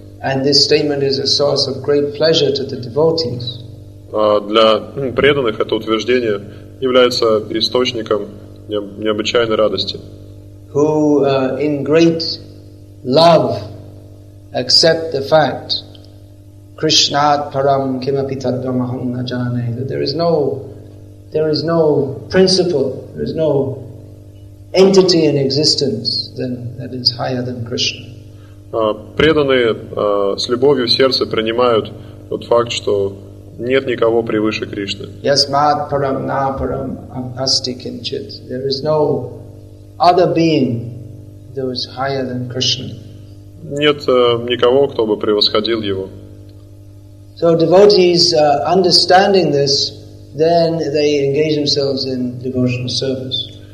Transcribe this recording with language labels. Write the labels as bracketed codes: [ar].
[en] And this statement is a source of great pleasure to the devotees. [ru] Для преданных это утверждение является источником необычайной радости. [en] Who in great love accept the fact [sa] Krishnat param kimapi tadamaham na jane, [en] that there is no principle, there is no entity in existence that is higher than Krishna. [ru] Преданные с любовью в сердце принимают тот факт, что нет никого превыше Кришны. [sa] Yasmat param na param asti kinchit, [en] there is no other being that is higher than Krishna. [ru] Нет никого, кто бы превосходил его. [en] So devotees, understanding this, then they engage themselves in devotional service.